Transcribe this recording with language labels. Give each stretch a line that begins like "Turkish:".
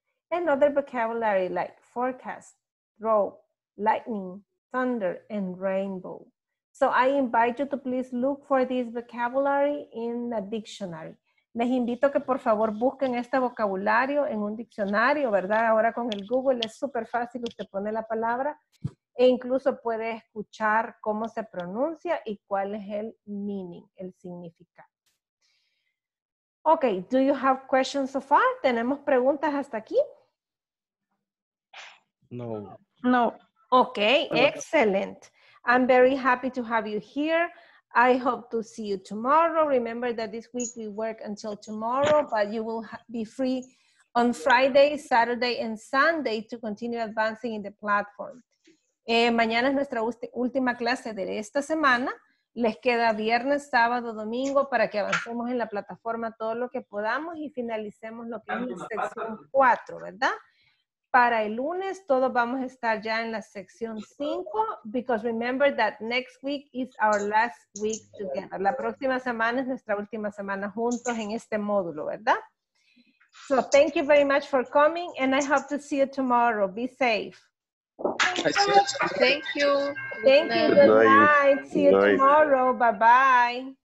English: Another vocabulary like forecast, drought, lightning, thunder, and rainbow. So I invite you to please look for this vocabulary in the dictionary.
Spanish: Les invito a que por favor busquen este vocabulario en un diccionario, ¿verdad? Ahora con el Google es súper fácil, usted pone la palabra e incluso puede escuchar cómo se pronuncia y cuál es el meaning, el significado.
English: Ok, do you have questions so far?
Spanish: ¿Tenemos preguntas hasta aquí?
English: No. No. Ok, excellent. I'm very happy to have you here. I hope to see you tomorrow. Remember that this week we work until tomorrow, but you will be free on Friday, Saturday, and Sunday to continue advancing in the platform.
Spanish: Mañana es nuestra última clase de esta semana. Les queda viernes, sábado, domingo para que avancemos en la plataforma todo lo que podamos y finalicemos lo que es la sección 4, ¿verdad? Para el lunes, todos vamos a estar ya en la sección 5,
English: because remember that next week is our last week together.
Spanish: La próxima semana es nuestra última semana juntos en este módulo, ¿verdad?
English: So, thank you very much for coming, and I hope to see you tomorrow. Be safe. Thank you. Thank you. Good night. See you tomorrow. Bye-bye.